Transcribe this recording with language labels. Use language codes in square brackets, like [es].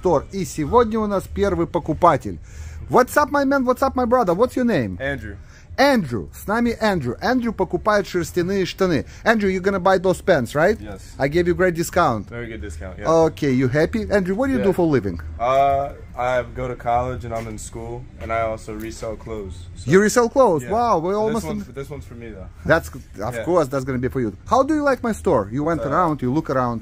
[ru] И сегодня у нас первый покупатель. [en] What's up, my man, what's up, my brother, what's your name? Andrew. [ru] Andrew, с нами Andrew. Andrew покупает шерстяные штаны. [en] Andrew, you're gonna buy those pants, right? Yes. I gave you great discount. Very good discount, yeah. Okay, you happy? Andrew, what do you do for a living? I go to college and I'm in school, and I also resell clothes. So. You resell clothes? Yeah. Wow, we're almost... This one's for me, though. That's, of yeah. course, that's gonna be for you. How do you like my store? You went around, you look around.